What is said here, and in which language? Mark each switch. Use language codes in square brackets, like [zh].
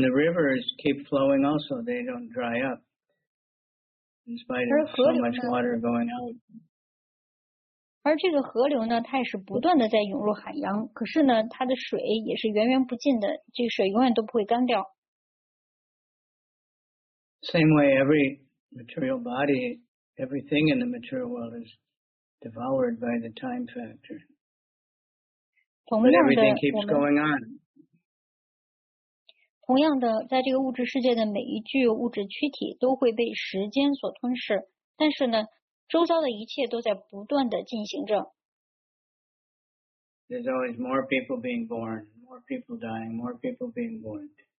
[en] the rivers keep flowing also. They don't dry up. In spite of so much water going out. [zh] 而这个河流呢，它也是不断的在涌入海洋，可是呢，它的水也是源源不尽的，这个水永远都不会干掉。 [en] Same way, every material body, everything in the material world is devoured by the time factor. But everything keeps going on. [zh] 同样的，在这个物质世界的每一具物质躯体都会被时间所吞噬，但是呢。周遭的一切都在不断的进行着。 [en] There's always more people being born, more people dying, more people being born.